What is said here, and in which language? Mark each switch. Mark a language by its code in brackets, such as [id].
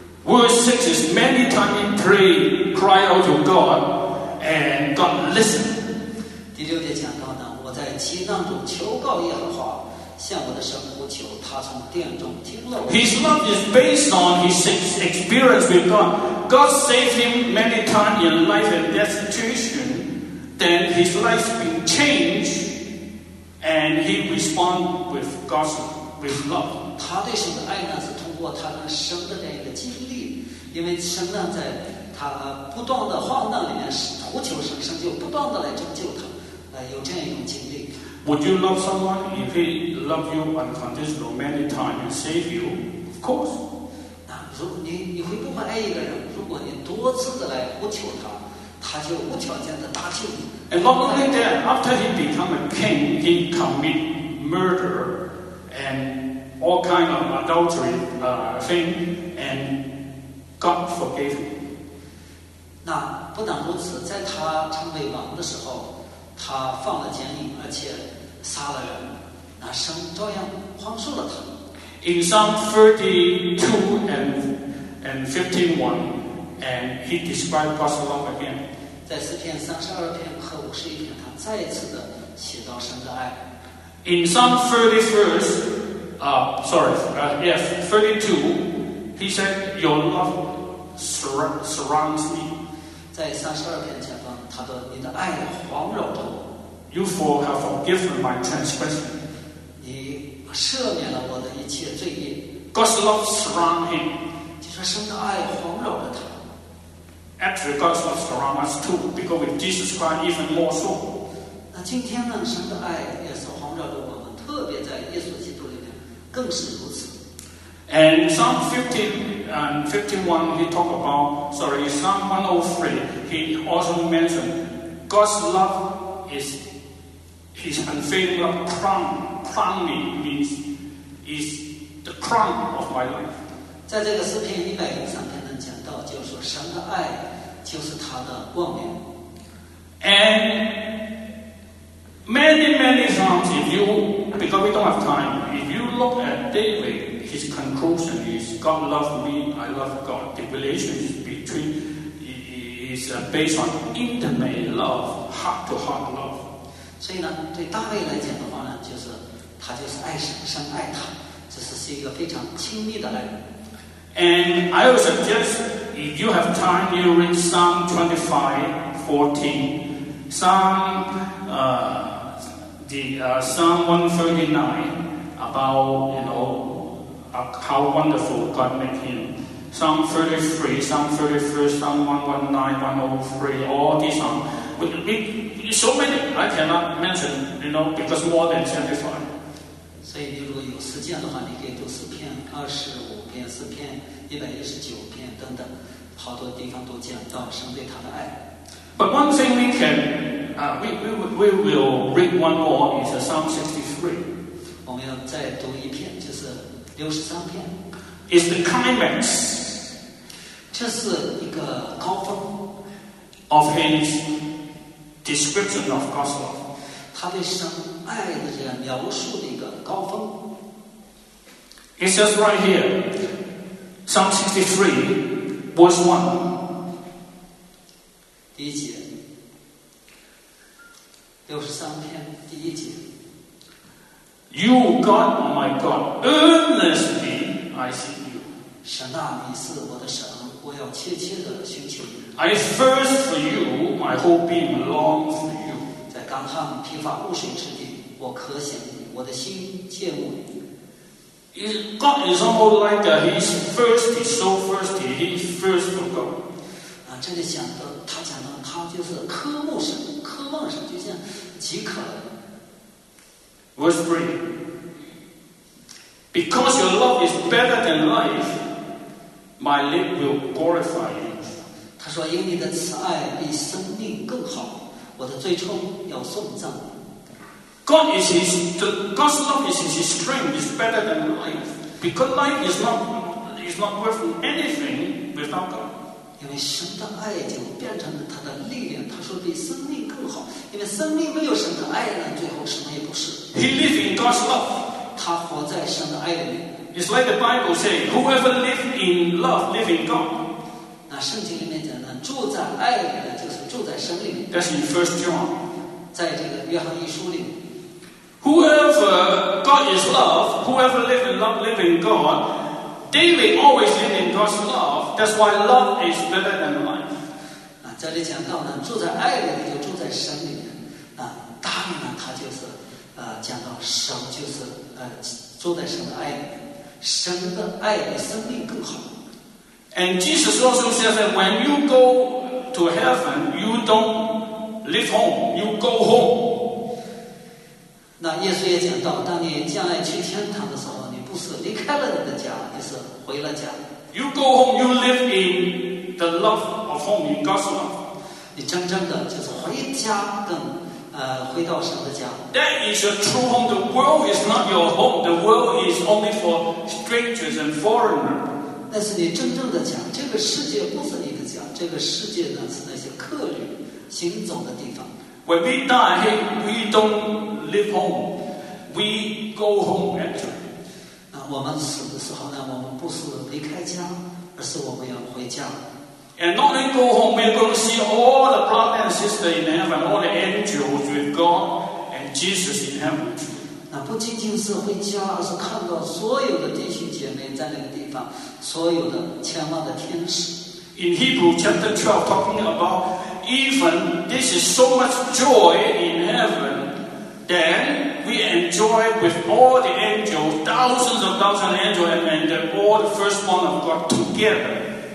[en] Verse 6 is many times he pray, cry out to God, and God listen. [zh] 第六节讲到呢，我在祈祷中求告耶和华，向我的神呼求，他从殿中听了我。 [en] His love is based on his experience with God. God saved him many times in life and death situation. Then his life has been changed, and he responds with God's with love. [zh] 他对神的爱呢，是通过他跟神的这样一个经历。因为神呢，在他不断的患难里面，呼求神，神就不断的来拯救他，有这样一种经历。 [en] Would you love someone if he love you unconditional many times and save you? Of course. [zh] 那如果你会不会爱一个人？如果你多次的来呼求他，他就无条件的搭救你。 [en] And not only that, after he become a king, he commit murder and all kind of adultery thing and. God forgave him. [zh] 那不但如此，在他成为王的时候，他犯了奸淫，而且杀了人，那神照样宽恕了他。 [en] In Psalm 32 and 15:1, and he described God's love again. [zh] 在诗篇三十二篇和五十一篇，他再次的写到神的爱。 [en] In Psalm 32. He said, "Your love surrounds me." [zh] 在三十二篇前方，他的你的爱环绕着我。 [en] You for have forgiven my transgression. [zh] 你赦免了我的一切罪孽。 [en] God's love surrounds him. [zh] 就说神的爱环绕着他。 [en] Actually, God's love surrounds us too, because with Jesus Christ, even more so. [zh] 那今天呢，神的爱也是环绕着我们，特别在耶稣基督里面，更是如此。 [en] And Psalm 51, he talked about, sorry, Psalm 103, he also mentioned God's love is his unfailing love crowning means is the crown of my life. [zh] 在这个诗篇103篇能讲到，就是说神的爱就是他的冠冕。 [en] And many times, if you, because we don't have time, if you look at David,His conclusion is God loves me, I love God. The relationship between is based on intimate love, heart to heart love. [zh] 所以呢，对大卫来讲的话呢，就是他就是爱神，神爱他，这是一个非常亲密的爱。 [en] And I would suggest if you have time, you read Psalm 25, 14, Psalm 139, about, you know, how wonderful God made him. Psalm 33, Psalm 34, Psalm 119, 103, all these are, so many, I cannot mention, you know, because more than 25. [zh] 所以你如果有时间的话，你可以读四篇、二十五篇、四篇、一百一十九篇等等，好多地方都讲到神对他的爱。 [en] But one thing we can, we will read one more is Psalm 63. [zh] 我们要再读一篇，就是六十三篇。 [en] Is the climax. [zh] 这是一个高峰。 [en] Of his description of God's love. [zh] 他对神爱的这样描述的一个高峰。 [en] It says right here, Psalm 63, verse 1. [zh] 第一节，六十三篇第一节。 [en] You, God, my God, earnestly I seek you. [zh] 神啊，你是我的神，我要切切的寻求你。 [en] I thirst for you, my whole being longs for you. [zh] 干旱疲乏无水之地，我渴想你，我的心切慕你。 [en] God is almost like that. He's thirsty, so thirsty. He thirsts for God. [zh] 啊，这里讲的，他讲的，他就是渴慕神，渴望神，就像饥渴。 [en] Verse three. Because your love is better than life, my lips will glorify you. [zh] 他说，因你的慈爱比生命更好。我的最初要送葬。 [en] God is his, God's love is his strength, is better than life. Because life is not worth anything without God. [zh] 因为神的爱就变成了他的力量，他说比生命更好，因为生命没有神的爱呢，最后什么也不是。 [en] He lives in God's love. [zh] 他活在神的爱里面。 [en] It's like the Bible saying, whoever lives in love, lives in God. [zh] 那圣经里面讲呢，住在爱里面的就是住在神里面。 [en] That's in First John. [zh] 在这个约翰一书里。 [en] Whoever God is love, whoever live in love, live in God. David always lived in God's love. That's why love is better than life. [zh] 啊，这里讲到呢，住在爱里面就住在神里面。啊，大卫呢，他就是讲到神就是住在神的爱里面，神的爱比生命更好。 [en] And Jesus also says that when you go. To heaven, you don't leave home. You go home. [zh] 那耶稣也讲到，当你将来去天堂的时候，你不是离开了你的家，你是回了家。 [en] You go home. You live in the love of home, in God's love. [zh] 你真正的就是回家，跟回到神的家。 [en] That is a true home. The world is not your home. The world is only for strangers and foreigners. [zh] 那是你真正的家。这个世界不是你。这个世界呢是那些客旅行走的地方。 [en] When we die, we don't live home. We go home actually. [zh] 那我们死的时候呢，我们不是离开家，而是我们要回家。 [en] And not only go home, we're going to see all the brothers and sisters in heaven, all the angels with God and Jesus in heaven. [zh] 那不仅仅是回家，而是看到所有的弟兄姐妹在那个地方，所有的千万的天使。 [en] In Hebrew chapter 12, talking about even this is so much joy in heaven than we enjoy with all the angels, thousands of thousands of angels, and all the firstborn of God together.